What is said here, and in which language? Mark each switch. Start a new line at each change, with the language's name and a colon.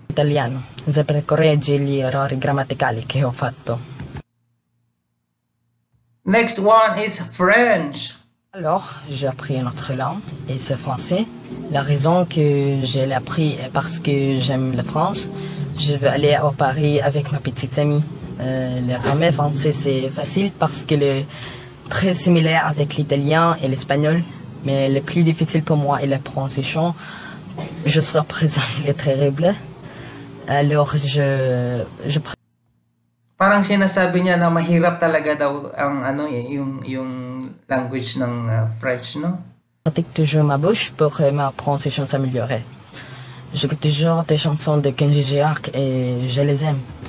Italian: Italiano, sempre corregge gli errori grammaticali che ho fatto.
English: Next one is French.
French: Alors, j'ai appris une autre langue, et c'est français. La raison que je l'ai appris est parce que j'aime la France. Je veux aller au Paris avec ma petite amie. Le ramen français, c'est facile parce qu'il est très similaire avec l'italien et l'espagnol. Mais le plus difficile pour moi est la prononciation. Je serai présent, il est terrible. Alors, je
Filipino: Parang sinasabi niya na mahirap talaga daw ang ano yung language ng French, no?
French: pratique toujours ma bouche pour ma prononciation s'améliorer. J'écoute toujours des chansons de Kenji Girac et je les aime.